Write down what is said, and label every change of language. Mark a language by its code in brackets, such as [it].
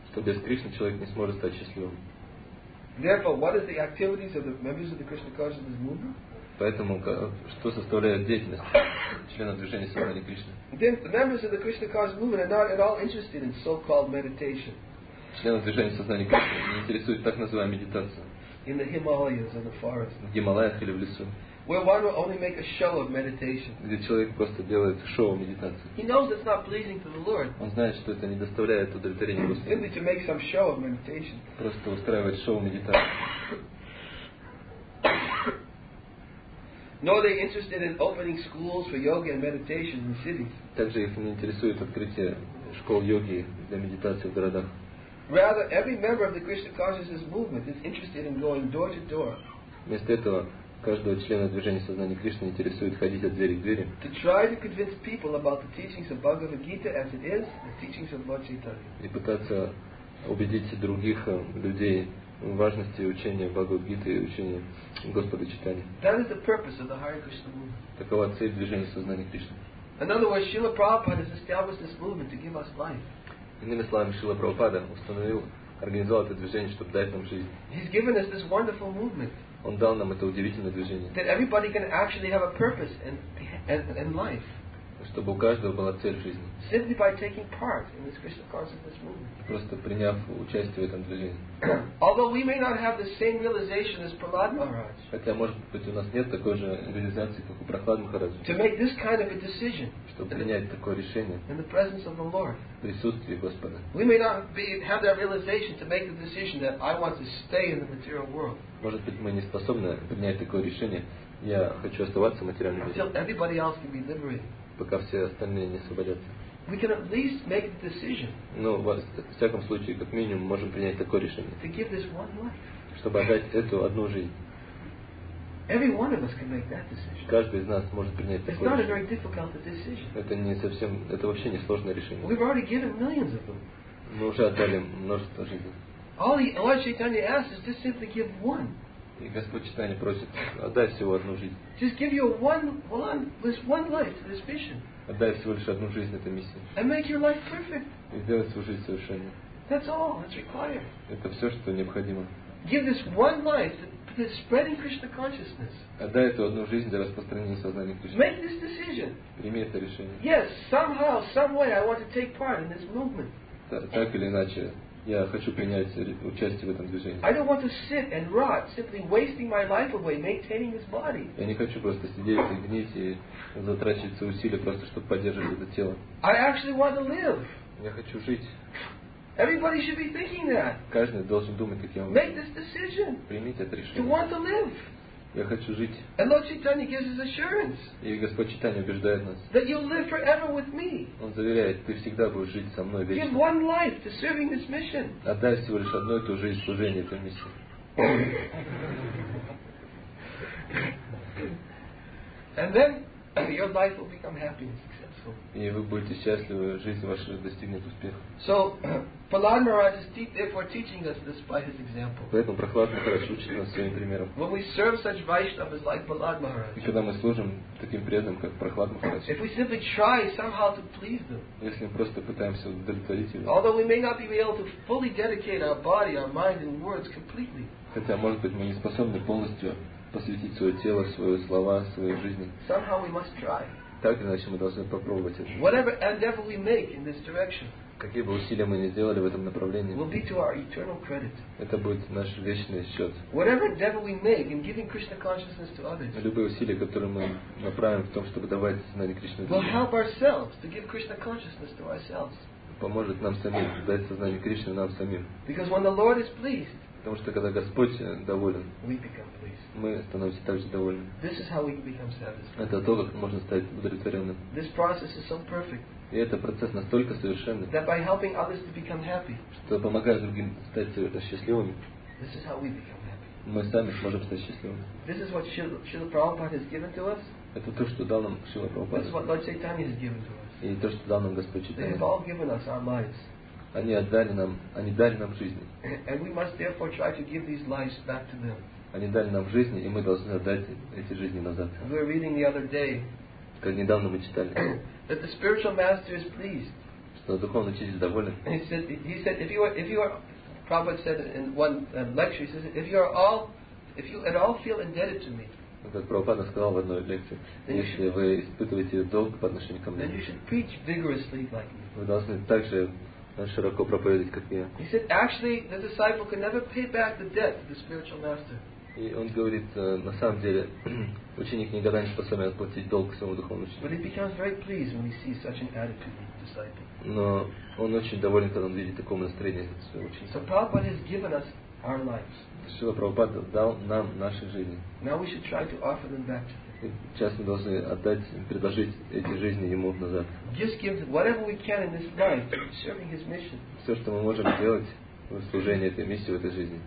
[ru] Что без Кришны человек не сможет стать счастливым. [en] Therefore, what is the activities of the members of the Krishna consciousness movement? [ru] Поэтому что составляет деятельность членов движения сознания Кришны? [en] Then the members of the Krishna consciousness movement are not at all interested in so-called meditation. [ru] Члены движения сознания Кришны не интересуют так называемой медитацией. [en] In the Himalayas or the forest. [ru] В Гималаях или в лесу. [en] Where one will only make a show of meditation. [ru] Где человек просто делает шоу медитации. [en] He knows it's not pleasing to the Lord. [ru] Он знает, что это не доставляет удовлетворения Господу. [en] Simply to make some show of meditation. [ru] Просто устраивать шоу медитации. [en] Nor they interested in opening schools for yoga and meditation in cities. [ru] Также их не интересует открытие школ йоги для медитации в городах. [en] Rather, every member of the Krishna consciousness movement is interested in going door to door. [ru] Вместо этого каждого члена движения сознания Кришны интересует ходить от двери к двери. [en] To try to convince people about the teachings of Bhagavad Gita as it is, the teachings of Lord Chaitanya. [ru] И пытаться убедить других людей важности учения Бхагавад-гиты и учения Господа Чайтаньи. [en] That is the purpose of the Hare Krishna movement. [ru] Такова цель движения сознания Кришны. [en] In other words, Srila Prabhupada has established this movement to give us life. [ru] Иными словами, Шрила Прабхупада установил, организовал это движение, чтобы дать нам жизнь. [en] He's given us this wonderful movement. [ru] Он дал нам это удивительное движение. [en] That everybody can actually have a purpose in life. [ru] Чтобы у каждого была цель в жизни. [en] Simply by taking part in this Krishna consciousness movement. [ru] Просто приняв участие в этом движении. [en] Although we may not have the same realization as Prahlad Maharaj. [ru] Хотя может быть у нас нет такой же реализации, как у Прахлад Махараджа. [en] To make this kind of a decision. [ru] Чтобы принять такое решение. [en] In the presence of the Lord. [ru] В присутствии Господа. [en] We may not have that realization to make the decision that I want to stay in the material world. [ru] Может быть мы не способны принять такое решение. Я хочу оставаться в материальном мире. [en] Until everybody else can be liberated. [ru] Пока все остальные не освободятся. [en] We can at least make the decision. [ru] Ну, в всяком случае, как минимум, можем принять такое решение. [en] To give this one life. [ru] Чтобы отдать эту одну жизнь. [en] Every one of us can make that decision. [ru] Каждый из нас может принять такое решение. [en] It's not a very difficult decision. [ru] Это не совсем, это вообще не сложное решение. [en] We've already given millions of them. [ru] Мы уже отдали множество жизней. [en] All Chaitanya asks is just simply give one. [ru] И Господь Читание просит, отдай всего одну жизнь. [en] Just give you one life to this mission. [ru] Отдай всего лишь одну жизнь этой миссии. [en] And make your life perfect. [ru] И сделай свою жизнь совершенной. [en] That's all that's required. [ru] Это все, что необходимо. [en] Give this one life to spreading Krishna consciousness. [ru] Отдай эту одну жизнь для распространения сознания Кришны. [en] Make this decision. [ru] Прими это решение. [en] Yes, somehow, some way, I want to take part in this movement. [ru] Так или иначе. Я хочу принять участие в этом движении. [en] I don't want to sit and rot, simply wasting my life away maintaining this body. [ru] Я не хочу просто сидеть и гнить и затрачивать свои усилия просто чтобы поддерживать это тело. [en] I actually want to live. [ru] Я хочу жить. [en] Everybody should be thinking that. [ru] Каждый должен думать таким образом. [en] Make this decision. [ru] Примите это решение. [en] To want to live. [ru] Я хочу жить. [en] And Lord Chaitanya gives his assurance. [ru] И Господь Читания убеждает нас. [en] That you'll live forever with me. [ru] Он заверяет, ты всегда будешь жить со мной вечно. [en] Give one life to serving this mission. [ru] Отдай всего лишь одну эту жизнь служению этой миссии. [en] And then your life will become happy and successful. [ru] И вы будете счастливы, жизнь ваша достигнет успеха. [en] So Prahlad Maharaj is therefore teaching us this by his example. [ru] Поэтому Прахлад Махарадж учит нас своим примером. [en] When we serve such Vaishnavas like Prahlad Maharaj. [ru] И когда мы служим таким преданным, как Прахлад Махарадж. [en] If we simply try somehow to please them. [ru] Если мы просто пытаемся удовлетворить его. [en] Although we may not be able to fully dedicate our body, our mind, and words completely. [ru] Хотя может быть мы не способны полностью посвятить свое тело, свои слова, своей жизни. [en] Somehow we must try. [ru] Так или иначе мы должны попробовать это. [en] Whatever endeavor we make in this direction. [ru] Какие бы усилия мы ни сделали в этом направлении, [en] will be to our eternal credit. [ru] Это будет наш вечный счет. [en] Whatever endeavor we make in giving Krishna consciousness to others. [ru] Любые усилия, которые мы направим в том, чтобы давать сознание Кришне. [en] Will help ourselves to give Krishna consciousness to ourselves. [ru] Поможет нам самим дать сознание Кришне нам самим. [en] Because when the Lord is pleased. [ru] Потому что когда Господь доволен, [en] we become pleased. [ru] Мы становимся также довольны. [en] This is how we become satisfied. [ru] Это то, как можно стать удовлетворенным. [en] This process is so perfect. [ru] И этот процесс настолько совершенный, [en] that by helping others to become happy, [ru] что помогая другим стать счастливыми, [en] this is how we become happy. [ru] Мы сами сможем стать счастливыми. [en] This is what Srila Prabhupada has given to us. [ru] Это то, что дал нам Шрила Прабхупада. [en] This is what Lord Chaitanya has given to us. [ru] И то, что дал нам Господь Чайтанья. [en] They have all given us our lives. [ru] Они отдали нам, они дали нам жизни. [en] And we must therefore try to give these lives back to them. [ru] Они дали нам жизни, и мы должны отдать эти жизни назад. [en] We were reading the other day. [ru] Как недавно мы читали. [en] That the spiritual master is pleased. [ru] Что духовный учитель доволен. [en] He said, if you are, Prabhupada said in one lecture, he says, if you at all feel indebted to me. [ru] Как Прабхупада сказал в одной лекции, если вы испытываете долг по отношению ко мне. [en] Then you should preach vigorously like me. [ru] Вы должны также широко проповедовать, как я. [en] He said, actually, the disciple can never pay back the debt to the spiritual master. [ru] И он говорит, на самом деле, ученик никогда не способен отплатить долг своему духовному учителю. [en] But he becomes very pleased when he sees such an attitude in the disciple. [ru] Но он очень доволен, когда он видит такое настроение своего ученика. [en] So Prabhupada has given us our lives. [ru] Шрила Прабхупада дал нам наши жизни. [en] Now we should try to offer them back to him. [ru] Сейчас мы должны отдать, предложить эти жизни ему назад. [en] Just give whatever we can in this life, serving his mission. [ru] Все, что мы можем делать в служении этой миссии в этой жизни.